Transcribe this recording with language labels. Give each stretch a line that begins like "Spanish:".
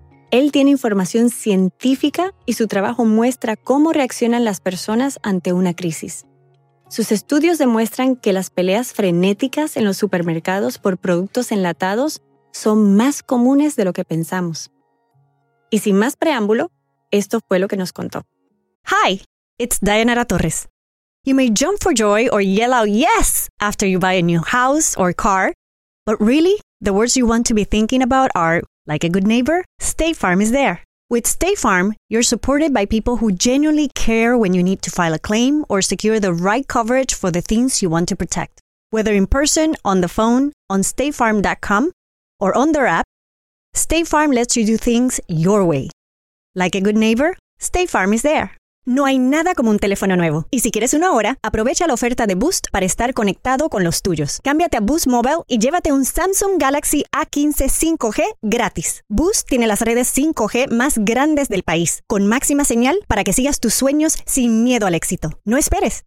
Spanish: Él tiene información científica y su trabajo muestra cómo reaccionan las personas ante una crisis. Sus estudios demuestran que las peleas frenéticas en los supermercados por productos enlatados son más comunes de lo que pensamos. Y sin más preámbulo, esto fue lo que nos contó.
English: Hi, it's Dayanara Torres. You may jump for joy or yell out yes after you buy a new house or car, but really, the words you want to be thinking about are, like a good neighbor, State Farm is there. With State Farm, you're supported by people who genuinely care when you need to file a claim or secure the right coverage for the things you want to protect. Whether in person, on the phone, on statefarm.com, or on their app, State Farm lets you do things your way. Like a good neighbor, State Farm is there.
Spanish: No hay nada como un teléfono nuevo. Y si quieres uno ahora, aprovecha la oferta de Boost para estar conectado con los tuyos. Cámbiate a Boost Mobile y llévate un Samsung Galaxy A15 5G gratis. Boost tiene las redes 5G más grandes del país, con máxima señal para que sigas tus sueños sin miedo al éxito. No esperes.